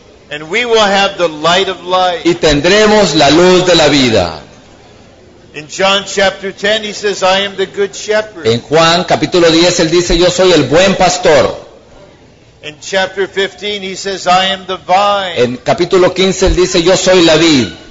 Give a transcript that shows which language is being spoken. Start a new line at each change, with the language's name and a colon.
English: And we will have the light of life.
Spanish: Y tendremos la luz de la vida.
English: In John chapter 10, he says, I am the good shepherd.
Spanish: En Juan capítulo 10, él dice, yo soy el buen pastor.
English: In chapter 15, he says, I am the vine.
Spanish: En capítulo 15, él dice, yo soy la vid.